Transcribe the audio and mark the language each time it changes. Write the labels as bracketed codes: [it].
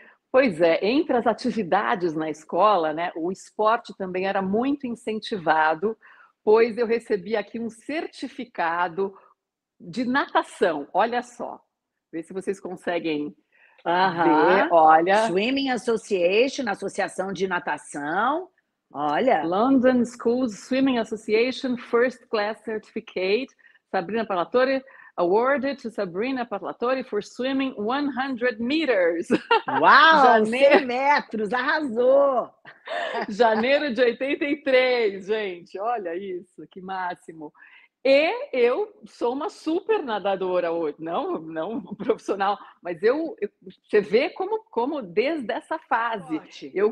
[pt] Pois é, entre as atividades na escola, né, o esporte também era muito incentivado, pois eu recebi aqui um certificado de natação, olha só. Vê se vocês conseguem ver, olha. [en] Swimming Association, [pt] Associação de Natação, olha. [en] London Schools Swimming Association First Class Certificate, Sabrina Parlatore, awarded to Sabrina Parlatore for swimming 100 meters. [pt] Uau, 100 metros, arrasou! Janeiro de 83, gente, olha isso, que máximo. E eu sou uma super nadadora hoje, não profissional, mas você vê como desde essa fase eu